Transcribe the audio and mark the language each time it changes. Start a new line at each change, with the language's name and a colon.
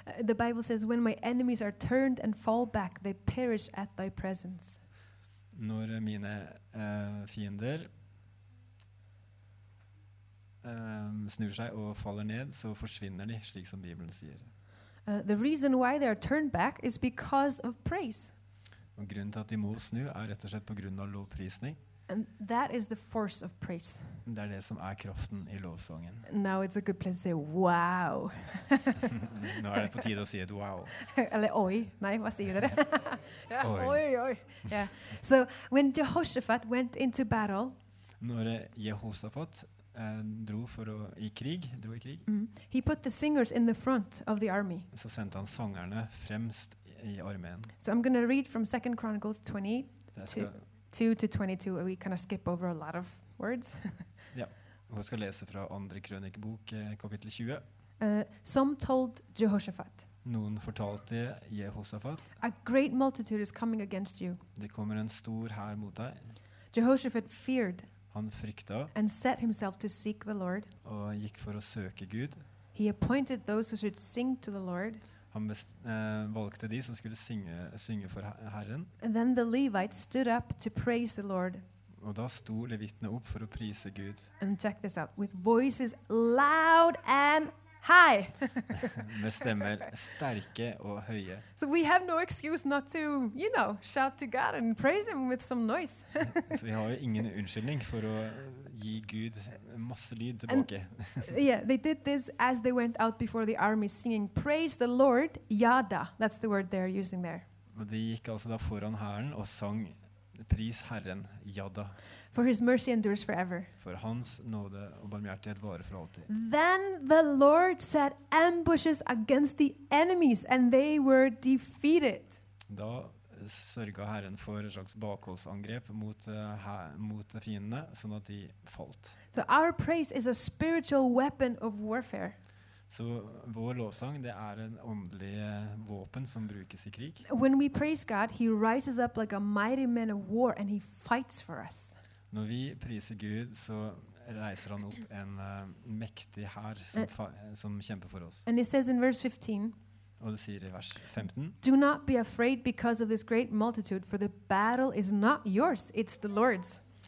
English: The Bible says when my enemies are turned and fall back they perish at thy presence.
Norwegian: Når mine fiender snur seg og faller ned så forsvinner de slik som Bibelen sier.
English: The reason why they are turned back is because of praise.
Norwegian: Og grunnen til at de må snu rett og slett på grunn av lovprisning.
English: And that is the force of praise.
Norwegian: Det det som kraften I lovsangen.
English: Now it's a good place to say wow.
Norwegian: Nå det på tide å si et wow. Eller oi, nei, hva sier dere? Yeah. Oi. Oi, oi. Yeah.
English: So when Jehoshaphat went into battle.
Norwegian: Når Jehoshaphat dro for å I krig, dro I krig. Mm-hmm.
English: He put the singers in the front of the army.
Swedish: Så sendte han sångarna främst I armén.
English: So I'm going to read from 2 Chronicles 20:2-22, we kind of skip over a lot of words.
Norwegian: Ja, vi skal lese fra andre krønikebok, kapittel 20.
English: Some told Jehoshaphat.
Norwegian: Noen fortalte Jehoshaphat.
English: A great multitude is coming against you.
Norwegian: Det kommer en stor hær mot deg.
English: Jehoshaphat feared.
Norwegian: Han frykta.
English: And set himself to seek the Lord.
Norwegian: Og gikk for å søke Gud.
English: He appointed those who should sing to the Lord.
Norwegian: Han valgte de som skulle synge for Herren.
English: And then the Levites stood up to praise the Lord.
Norwegian: Og da sto levitene opp for å prise Gud.
English: And check this out, with voices loud and high.
Norwegian: Med stemmer sterke og høye.
English: So we have no excuse not to, you know, shout to God and praise him with some noise.
Norwegian: Så vi har jo ingen unnskyldning for å gi Gud masse lyd tilbake.
English: Yeah, they did this as they went out before the army singing praise the Lord, yada. That's the word they're using there.
Norwegian: Og de gikk altså da foran hæren og sang pris Herren, yada.
English: For his mercy endures forever.
Norwegian: For hans nåde og barmhjertighet varer for alltid.
English: Then the Lord set ambushes against the enemies and they were defeated.
Norwegian: Da sørget Herren for et slags bakholdsangrep mot fiendene, sånn at de falt.
English: So our praise is a spiritual weapon of warfare.
Norwegian: Så vår lovsang, det en åndelig våpen som brukes I krig.
English: When we praise God, he rises up like a mighty man of war and he fights for us.
Norwegian: Når vi priser Gud, så reiser han opp en mektig hær som kjemper for oss.
English: And it says in verse 15,
Norwegian: Og det sier I vers 15.
English: Do not be afraid because of this great multitude, for the battle is not yours, it's the Lord's.